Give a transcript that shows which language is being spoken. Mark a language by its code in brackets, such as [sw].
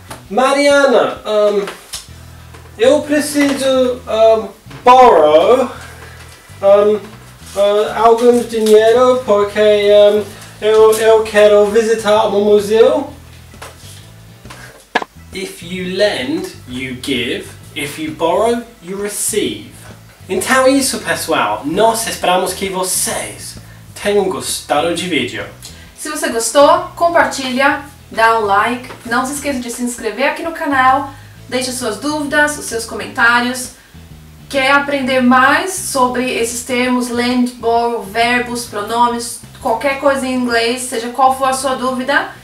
[pt] Mariana, eu preciso borrow algum dinheiro porque eu quero visitar um museu. [en] If you lend, you give. If you borrow, you receive. [pt] Então é isso, pessoal. Nós esperamos que vocês tenham gostado de vídeo. Se você gostou, compartilha, dá um like. Não se esqueça de se inscrever aqui no canal. Deixe suas dúvidas, os seus comentários. Quer aprender mais sobre esses termos, lend, borrow, verbos, pronomes, qualquer coisa em inglês, seja qual for a sua dúvida.